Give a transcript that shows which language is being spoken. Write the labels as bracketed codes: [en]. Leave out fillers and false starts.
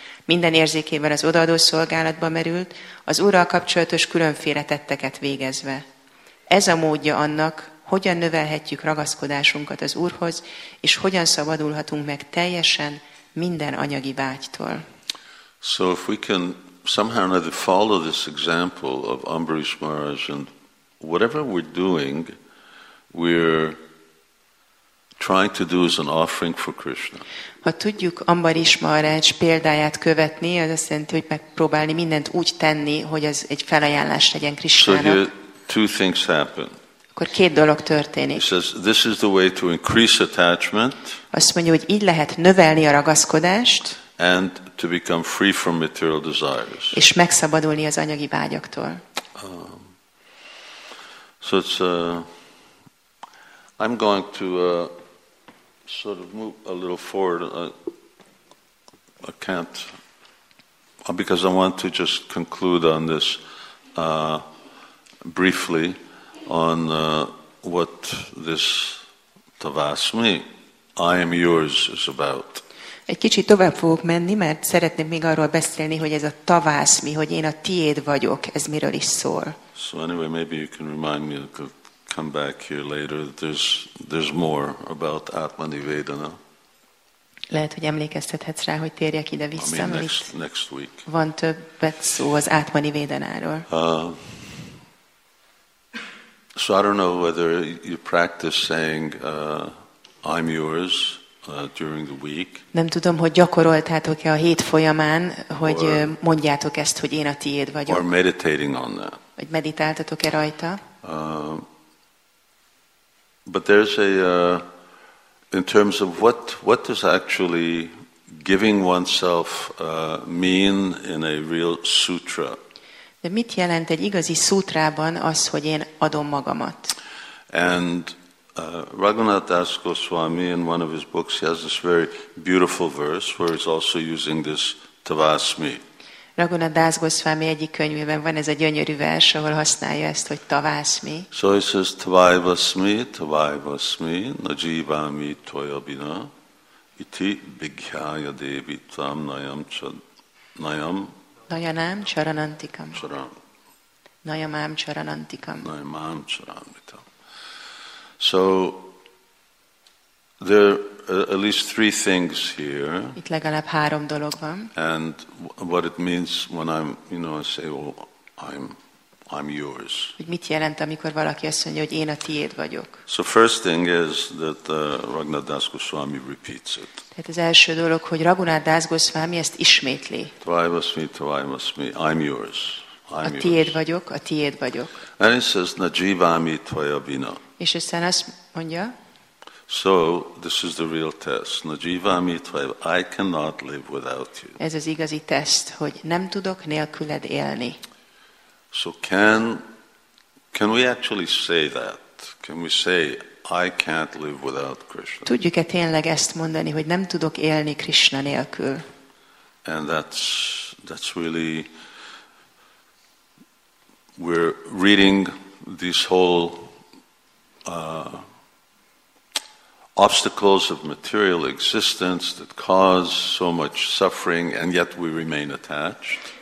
[hu] Minden érzékével az odaadó szolgálatba merült, az Úrral kapcsolatos különféle tetteket végezve. Ez a módja annak, hogyan növelhetjük ragaszkodásunkat az Úrhoz, és hogyan szabadulhatunk meg teljesen minden anyagi vágytól. [en] So if we can somehow or another follow this example of Ambarish Maharaj, and whatever we're doing, we're trying to do as an offering for Krishna. [hu] Ha tudjuk Ambarish Maharaj példáját követni, az azt jelenti, hogy megpróbálni mindent úgy tenni, hogy ez egy felajánlás legyen Krishnának. [en] So two things happen. [hu] Akkor két dolog történik. [en] He says, this is the way to increase attachment. [hu] Azt mondja, hogy így lehet növelni a ragaszkodást. [en] And to become free from material desires. [hu] És megszabadulni az anyagi vágyaktól. [en] So it's I'm going to sort of move a little forward. I can't, because I want to just conclude on this briefly on what this tavasmi, I am yours, is about. [hu] Egy kicsit tovább fogok menni, mert szeretném még arról beszélni, hogy ez a tavasmi, hogy én a tiéd vagyok, ez miről is szól. [en] So anyway, maybe you can remind me, I'll come back here later, that there's more about Atmanivedana. [hu] Lehet, hogy emlékeztethetsz rá, hogy térjek ide vissza, [en] I mean, next week. [hu] Van többet szó az Atmanivedanáról. [en] So I don't know whether you practice saying I'm yours during the week. [hu] Nem tudom, hogy gyakoroltátok-e a hét folyamán, hogy mondjátok ezt, hogy én a tiéd vagyok. [en] Or meditating on that. [hu] Vagy meditáltatok-e rajta? [en] But there's a in terms of what does actually giving oneself mean in a real sutra? [hu] De mit jelent egy igazi szútrában az, hogy én adom magamat? [en] And Raghunath Das Goswami in one of his books he has this very beautiful verse where he's also using this tavasmi. [hu] Raghunath Das Goswami egyik könyvében van ez a gyönyörű vers, ahol használja ezt, hogy tavasmi. [en] So he says [sa] tvaivasmi, tvaivasmi, na jivami toyabina, iti bighyaya devitvam nayam chad, nayam. Nayanam charanantikam. Charan. Nayamam charanantikam. Nayamam charanantikam. [en] So there are at least three things here. [hu] Itt legalább három dolog van. [en] And what it means when I'm yours. [hu] Hogy mit jelent, amikor valaki azt mondja, hogy én a tiéd vagyok. [en] So first thing is that Raghunath Das Goswami repeats it. [hu] Tehát az első dolog, hogy Raghunath Das Goswami ezt ismétli. [sa] Tvaivasmi, tvaivasmi, [en] I'm yours. I'm [hu] a tiéd [en] yours. [hu] Vagyok, a tiéd vagyok. [en] And it says, [sa] na jivami tvaya vina. [hu] És aztán azt mondja. [en] So this is the real test. [sa] Na jivami tvaya, [en] I cannot live without you. [hu] Ez az igazi teszt, hogy nem tudok nélküled élni. [en] So can we actually say that? Can we say I can't live without Krishna? [hu] Tudjuk-e tényleg ezt mondani, hogy nem tudok élni Krishna nélkül? [en] And that's really we're reading this whole obstacles of material existence that cause so much suffering and yet we remain attached.